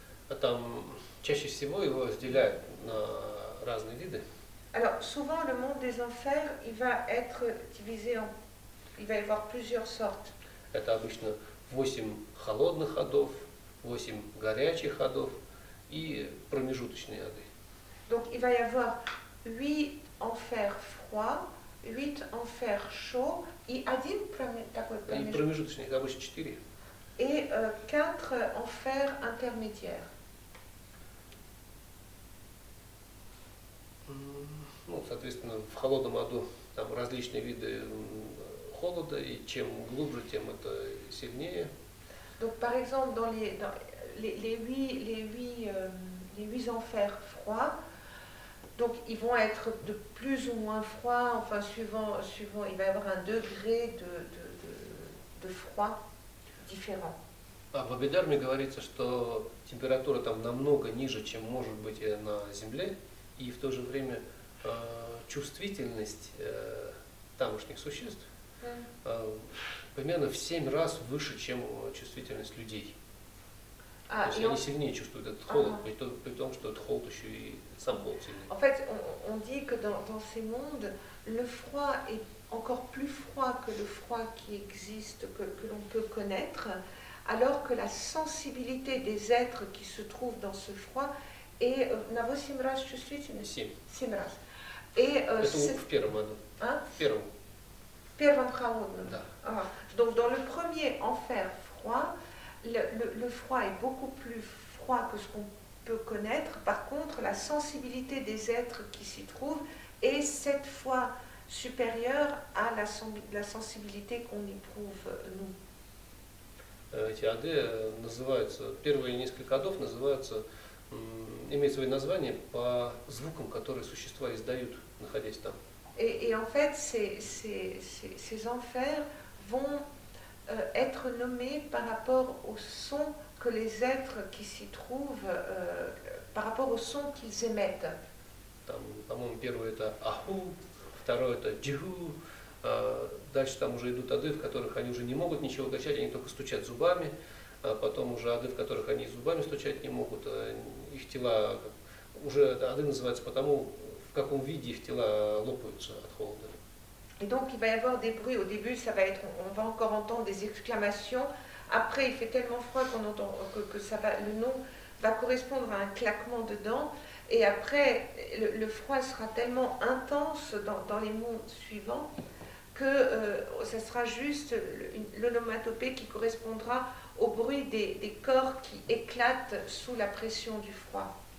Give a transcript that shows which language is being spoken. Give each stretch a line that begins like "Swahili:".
Russian: А там чаще всего его разделяют на разные виды.
French: Alors, souvent, le monde des enfers, il va être divisé en... Il va y avoir plusieurs sortes.
Russian: Это обычно 8 холодных адов, 8 горячих адов и промежуточные ады.
French: Donc, il va y avoir 8 enfers froids, 8 enfers chauds
Russian: и один промежуточный. И промежуточный, это обычно 4.
French: Et 4 enfers intermédiaires.
Russian: Ну, соответственно, в холодном аду там различные виды холода, и чем глубже, тем это сильнее.
French: Donc, par exemple, dans les huit enfers froids, donc ils vont être de plus ou moins froids, enfin suivant, il va y avoir un degré de froid différent.
Russian: А в Абхидхарме говорится, что температура там намного ниже, чем может быть на Земле, и в то же время чувствительность тамошних существ примерно в 7 раз выше, чем чувствительность людей. То есть они сильнее чувствуют этот холод, при том, что этот холод еще и сам холод сильнее.
French: En fait, on dit que dans ces mondes, le froid est encore plus froid que le froid qui existe, que l'on peut connaître, alors que la sensibilité des êtres qui se trouvent dans ce froid est...
Russian: На 8 раз чувствительность? 7. 7 раз. Это в первом аду. В первом холодном. Да.
French: Donc, dans le premier enfer froid, le froid est beaucoup plus froid que ce qu'on peut connaître. Par contre, la sensibilité des êtres qui s'y trouvent est 7 fois supérieure à la sensibilité qu'on éprouve nous.
Russian: Эти ады называются, первые несколько адов называются, имеют свои названия по звукам, которые существа издают, находясь там.
French: Et en fait, ces enfers vont être nommés par rapport au son que les êtres qui s'y trouvent, par rapport au son qu'ils émettent.
Russian: Там, по-моему, первый это аху, второй это джиху, дальше там уже идут ады, в которых они уже не могут ничего качать, они только стучат зубами, потом уже ады, в которых они зубами стучать не могут, их тела, уже ады называются потому, в каком виде их тела лопаются от холода.
French: Et donc il va y avoir des bruits, au début ça va être, on va encore entendre des exclamations, après il fait tellement froid qu'on entend que ça va, le nom va correspondre à un claquement de dents, et après le froid sera tellement intense dans les mondes suivants, que ça sera juste l'onomatopée qui correspondra au bruit des corps qui éclatent sous la pression du froid.